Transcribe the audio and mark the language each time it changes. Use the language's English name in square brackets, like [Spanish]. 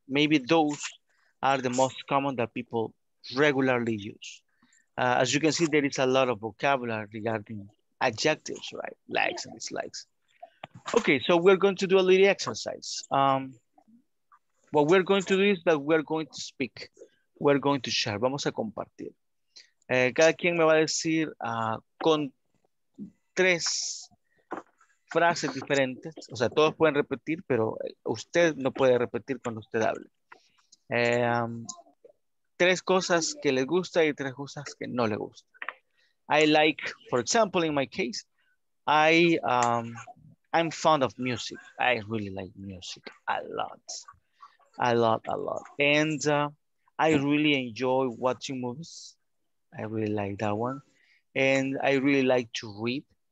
[English] Maybe those are the most common that people regularly use. As you can see, there is a lot of vocabulary regarding adjectives, right? Likes and dislikes. Okay, so we're going to do a little exercise. What we're going to do is that we're going to speak. We're going to share. [Spanish] Vamos a compartir. Cada quien me va a decir con tres frases diferentes. O sea, todos pueden repetir, pero usted no puede repetir cuando usted hable. Tres cosas que le gusta y tres cosas que no le gusta. [English] I like, for example, in my case, I'm fond of music. I really like music a lot. A lot. And I really enjoy watching movies. I really like that one. And I really like to read.